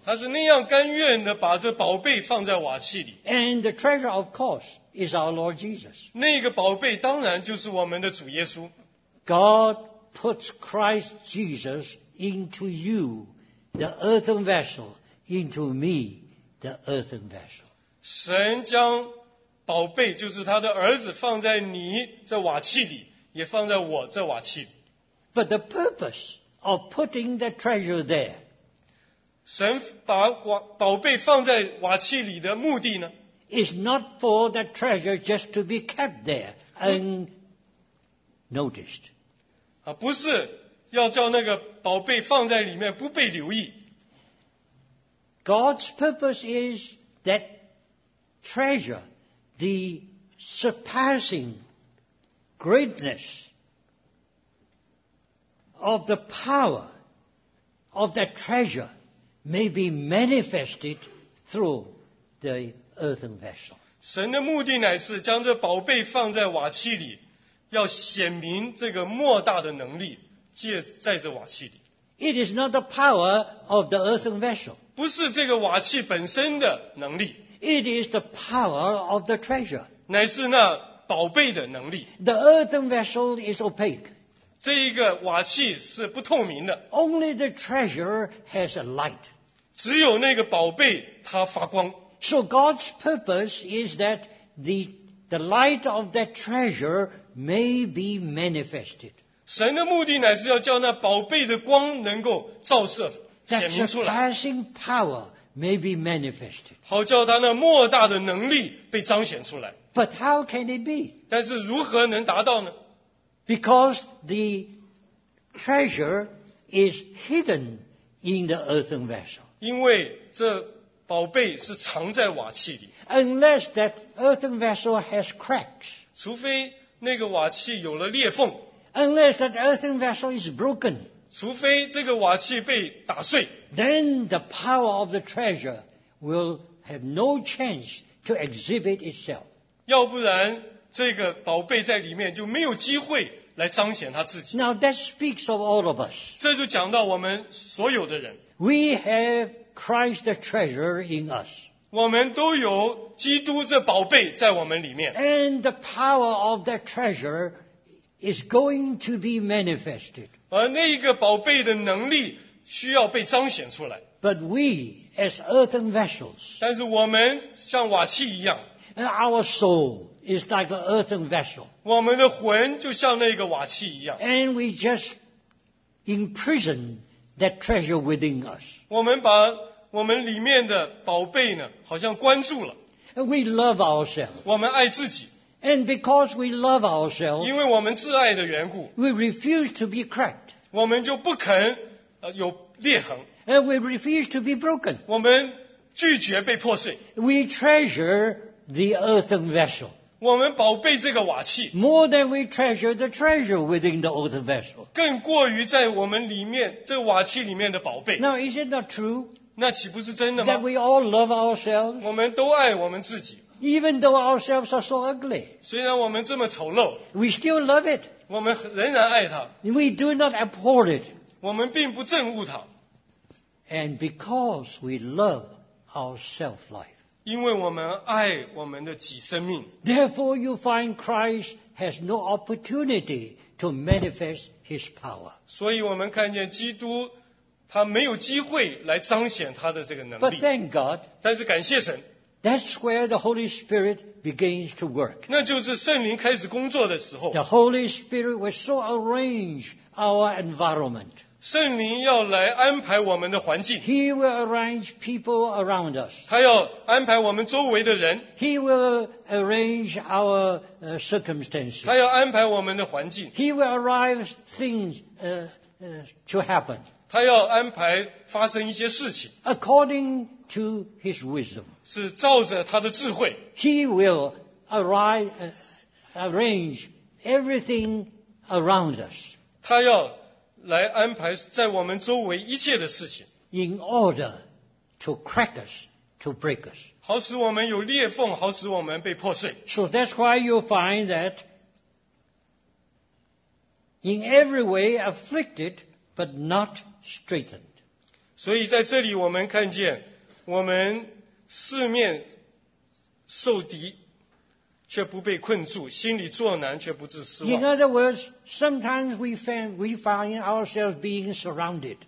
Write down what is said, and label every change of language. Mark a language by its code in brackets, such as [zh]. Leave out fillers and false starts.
[zh] 他是那样甘愿的把这宝贝放在瓦器里。 [en] And the treasure, of course, is our Lord Jesus. [zh] 那个宝贝当然就是我们的主耶稣。 [en] God puts Christ Jesus into you, the earthen vessel, into me, the earthen vessel. [zh] 神将宝贝就是他的儿子放在你这瓦器里，也放在我这瓦器里。 [en] But the purpose of putting the treasure there, [zh] 神把宝贝放在瓦器里的目的呢， [en] is not for that treasure just to be kept there unnoticed. [zh] 不是要叫那个宝贝放在里面不被留意。 [en] God's purpose is that treasure the surpassing greatness of the power of that treasure may be manifested through the earthen vessel. [zh] 神的目的乃是将这宝贝放在瓦器里，要显明这个莫大的能力，借在这瓦器里。 [en] It is not the power of the earthen vessel. [zh] 不是这个瓦器本身的能力。 [en] It is the power of the treasure. [zh] 乃是那宝贝的能力。 [en] The earthen vessel is opaque. [zh] 这一个瓦器是不透明的。 [en] Only the treasure has a light. [zh] 只有那个宝贝它发光。 [en] So God's purpose is that the light of that treasure may be manifested. [zh] 神的目的乃是要叫那宝贝的光能够照射显明出来。 [en] That surpassing power may be manifested. [zh] 好叫他那莫大的能力被彰显出来。 [en] But how can it be? [zh] 但是如何能达到呢？ [en] Because the treasure is hidden in the earthen vessel. [zh] 因为这宝贝是藏在瓦器里。 [en] Unless that earthen vessel has cracks. [zh] 除非那个瓦器有了裂缝。 [en] Unless that earthen vessel is broken. [zh] 除非这个瓦器被打碎。 [en] Then the power of the treasure will have no chance to exhibit itself. [zh] 要不然这个宝贝在里面就没有机会来彰显他自己。 [en] Now that speaks of all of us. [zh] 这就讲到我们所有的人。 [en] We have Christ the treasure in us. [zh] 我们都有基督这宝贝在我们里面。 [en] And the power of that treasure is going to be manifested. [zh] 而那个宝贝的能力需要被彰显出来。 [en] But we, as earthen vessels, [zh] 但是我们像瓦器一样。 [en] And our soul is like an earthen vessel. [zh] 我们的魂就像那个瓦器一样。 [en] And we just imprison that treasure within us. [zh] 我们把我们里面的宝贝呢好像关住了。 [en] And we love ourselves. [zh] 我们爱自己。 [en] And because we love ourselves, [zh] 因为我们自爱的缘故。 [en] We refuse to be cracked. [zh] 我们就不肯有裂痕。 [en] And we refuse to be broken. [zh] 我们拒绝被破碎。 [en] We treasure the earthen vessel. [zh] 我们宝贝这个瓦器。 [en] More than we treasure the treasure within the earthen vessel. [zh] 更过于在我们里面这瓦器里面的宝贝。 [en] Now is it not true? [zh] 那岂不是真的吗？ [en] That we all love ourselves. [zh] 我们都爱我们自己。 [en] Even though ourselves are so ugly. [zh] 虽然我们这么丑陋。 [en] We still love it. [zh] 我们仍然爱它。 [en] We do not abhor it. [zh] 我们并不憎恶它。 [en] And because we love our self-life. [zh] 因为我们爱我们的己生命。 [en] Therefore, you find Christ has no opportunity to manifest His power. [zh] 所以我们看见基督，他没有机会来彰显他的这个能力。 [en] But thank God. [zh] 但是感谢神。 [en] That's where the Holy Spirit begins to work. [zh] 那就是圣灵开始工作的时候。 [en] The Holy Spirit will so arrange our environment. [zh] 圣灵要来安排我们的环境。 [en] He will arrange people around us. [zh] 他要安排我们周围的人。 [en] He will arrange our circumstances. [zh] 他要安排我们的环境。 [en] He will arrange things to happen. [zh] 他要安排发生一些事情。 [en] According to his wisdom. [zh] 是照着他的智慧。 [en] He will arrange everything around us. [zh] 他要来安排在我们周围一切的事情。 [en] In order to crack us, to break us. [zh] 好使我们有裂缝，好使我们被破碎。 [en] So that's why you find that in every way afflicted, but not straightened. [zh] 所以在这里我们看见我们四面受敌却不被困住，心里作难却不致失望。 [en] In other words, sometimes we find ourselves being surrounded.